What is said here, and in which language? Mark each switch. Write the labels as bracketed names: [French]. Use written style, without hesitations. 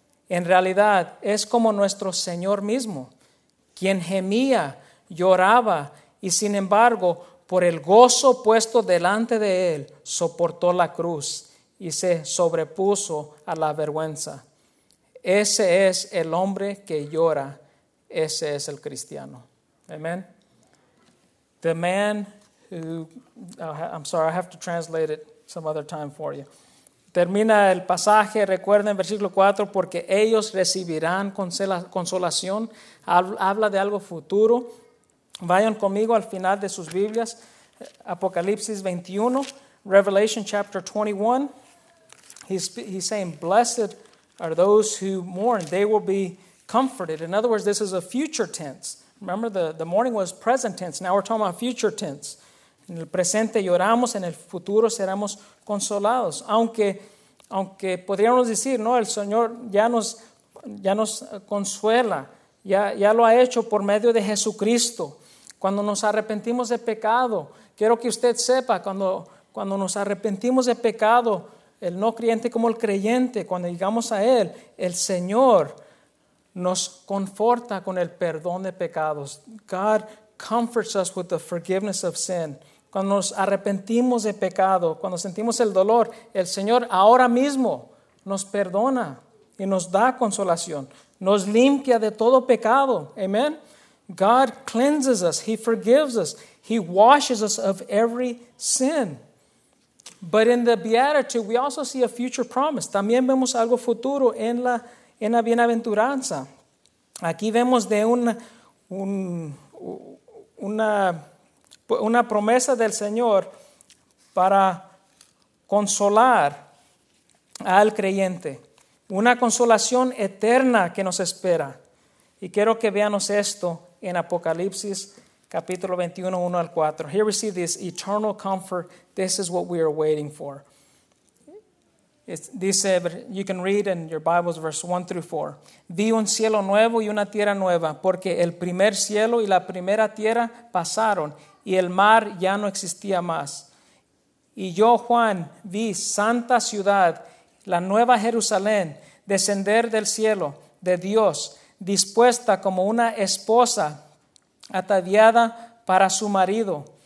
[Spanish] En realidad, es como nuestro Señor mismo, quien gemía, lloraba y sin embargo, por el gozo puesto delante de él, soportó la cruz y se sobrepuso a la vergüenza. Ese es el hombre que llora. Ese es el cristiano. Amen. [English] The man who, I'm sorry, I have to translate it some other time for you. [Spanish] Termina el pasaje, recuerden versículo 4, porque ellos recibirán consolación. Habla de algo futuro. Vayan conmigo al final de sus Biblias, Apocalipsis 21, [English] Revelation chapter 21. He's saying, blessed are those who mourn. They will be comforted. In other words, this is a future tense. Remember, the morning was present tense. Now we're talking about future tense. [Spanish] En el presente lloramos, en el futuro seremos consolados. Aunque podríamos decir, no, el Señor ya nos consuela, ya lo ha hecho por medio de Jesucristo. Cuando nos arrepentimos de pecado, quiero que usted sepa, cuando nos arrepentimos de pecado, el no creyente como el creyente, cuando llegamos a Él, el Señor nos conforta con el perdón de pecados. [English] God comforts us with the forgiveness of sin. [Spanish] Cuando nos arrepentimos de pecado, cuando sentimos el dolor, el Señor ahora mismo nos perdona y nos da consolación. Nos limpia de todo pecado. [English] Amen. God cleanses us. He forgives us. He washes us of every sin. But in the Beatitude, we also see a future promise. [Spanish] También vemos algo futuro en la bienaventuranza. Aquí vemos de una promesa del Señor para consolar al creyente. Una consolación eterna que nos espera. Y quiero que veamos esto en Apocalipsis capítulo 21, 1 al 4. [English] Here we see this eternal comfort. This is what we are waiting for. [Spanish] Dice, [English] you can read in your Bibles, verse 1 through 4. [Spanish] Vi un cielo nuevo y una tierra nueva, porque el primer cielo y la primera tierra pasaron, y el mar ya no existía más. Y yo, Juan, vi santa ciudad, la nueva Jerusalén, descender del cielo de Dios, dispuesta como una esposa ataviada para su marido.